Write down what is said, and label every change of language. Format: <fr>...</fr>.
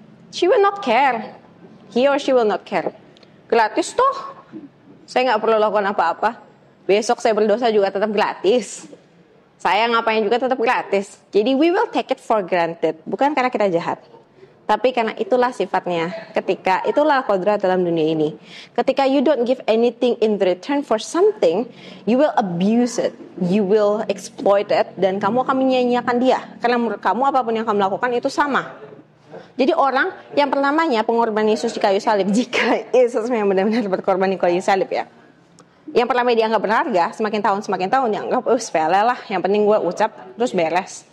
<en>She will not care. He or she will not care.</en> <id>Gratis toh. Saya nggak perlu lakukan apa-apa. Besok saya berdosa juga tetap gratis. Saya ngapain juga tetap gratis. Jadi</id> <en>we will take it for granted.</en> <id>Bukan karena kita jahat, tapi karena itulah sifatnya. Ketika itulah kodrat dalam dunia ini.</id> <en>Ketika you don't give anything in return for something, you will abuse it. You will exploit it.</en> <id>Dan kamu akan menyia-nyiakan dia. Karena menurut kamu apapun yang kamu lakukan itu sama. Jadi orang yang pertamanya pengorbanan Yesus di kayu salib, jika Yesus memang benar-benar berkorban di kayu salib ya, yang pertama dianggap berharga, semakin tahun dianggap, oh sepele lah, yang penting gue ucap, terus beres.</id>